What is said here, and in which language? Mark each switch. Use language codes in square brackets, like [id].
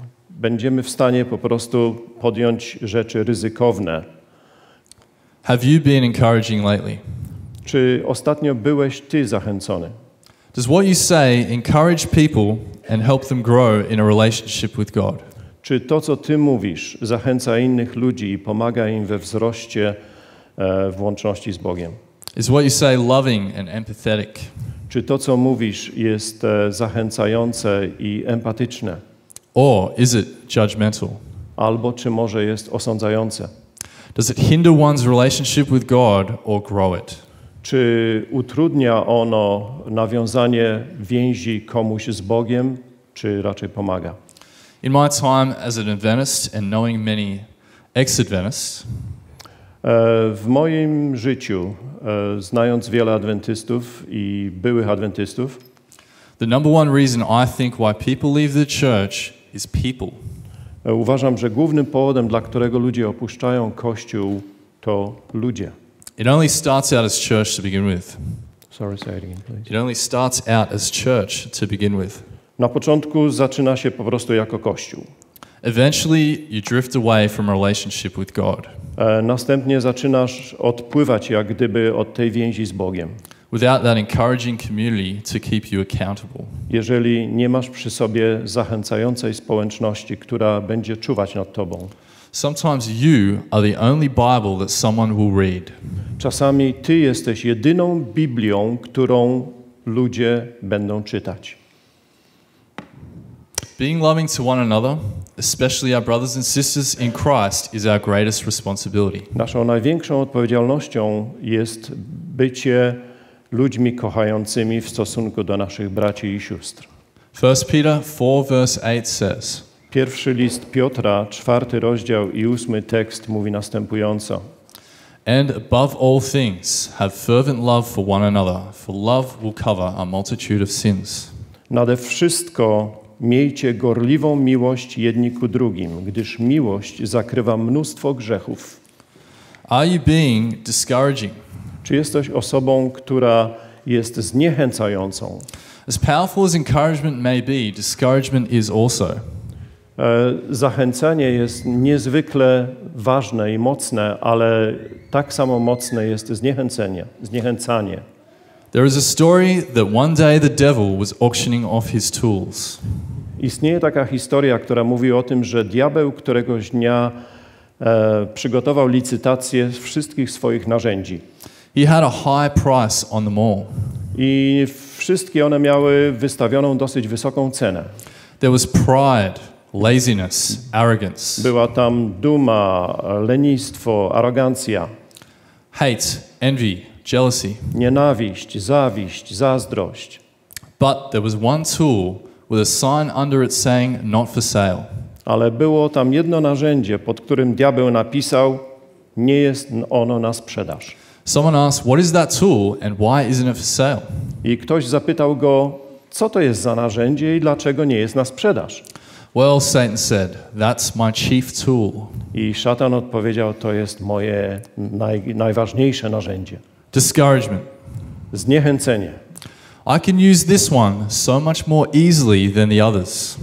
[pl] Będziemy w stanie po prostu podjąć rzeczy ryzykowne. [en] Have you been encouraging lately? [pl] Czy ostatnio byłeś ty zachęcony? [en] Does what you say encourage people and help them grow in a relationship with God? [pl] Czy to, co ty mówisz, zachęca innych ludzi i pomaga im we wzroście w łączności z Bogiem? [en] Is what you say loving and empathetic? [pl] Czy to, co mówisz, jest zachęcające i empatyczne? [en] Or is it judgmental? [pl] Albo czy może jest osądzające? [en] Does it hinder one's relationship with God or grow it? [pl] Czy utrudnia ono nawiązanie więzi komuś z Bogiem, czy raczej pomaga? [en] In my time as an Adventist and knowing many ex-Adventists, [pl] w moim życiu, znając wiele adwentystów i byłych adwentystów, [en] the number one reason I think why people leave the church is people. [pl] Uważam, że głównym powodem, dla którego ludzie opuszczają kościół, to ludzie. [en] It only starts out as church to begin with. Sorry, say it again, please. It only starts out as church to begin with. [pl] Na początku zaczyna się po prostu jako kościół. [en] Eventually you drift away from a relationship with God. [pl] Następnie zaczynasz odpływać jak gdyby od tej więzi z Bogiem. [en] Without that encouraging community to keep you accountable. [pl] Jeżeli nie masz przy sobie zachęcającej społeczności, która będzie czuwać nad tobą. [en] Sometimes you are the only Bible that someone will read. [pl] Czasami ty jesteś jedyną Biblią, którą ludzie będą czytać. [en] Being loving to one another, especially our brothers and sisters in Christ, is our greatest responsibility. [pl] Naszą największą odpowiedzialnością jest bycie ludźmi kochającymi w stosunku do naszych braci i sióstr. [en] 1 Peter 4 verse 8 says. [pl] Pierwszy list Piotra, 4 rozdział i 8 tekst mówi następująco. [en] And above all things, have fervent love for one another, for love will cover a multitude of sins. [pl] Nade wszystko miejcie gorliwą miłość jedni ku drugim, gdyż miłość zakrywa mnóstwo grzechów. [en] Are you being discouraging? [pl] Czy jesteś osobą, która jest zniechęcającą? [en] As powerful as encouragement may be, discouragement is also. [pl] Zachęcanie jest niezwykle ważne i mocne, ale tak samo mocne jest zniechęcanie. [en] There is a story that one day the devil was auctioning off his tools. [pl] Istnieje taka historia, która mówi o tym, że diabeł któregoś dnia przygotował licytację wszystkich swoich narzędzi. [en] He had a high price on them all. [pl] I wszystkie one miały wystawioną dosyć wysoką cenę. [en] There was pride, laziness, arrogance. [pl] Była tam duma, lenistwo, arogancja. [en] Hate, envy, jealousy. [pl] Nienawiść, zawiść, zazdrość. [en] But there was one tool with a sign under it saying not for sale. [pl] Ale było tam jedno narzędzie, pod którym diabeł napisał: nie jest ono na sprzedaż. [en] Someone asked, what is that tool and why isn't it for sale? [pl] I ktoś zapytał go, co to jest za narzędzie i dlaczego nie jest na sprzedaż? [en] Well, Satan said, that's my chief tool. [pl] I szatan odpowiedział, to jest moje najważniejsze narzędzie. [en] Discouragement. [pl] Zniechęcenie. [en] I can use this one so much more easily than the others.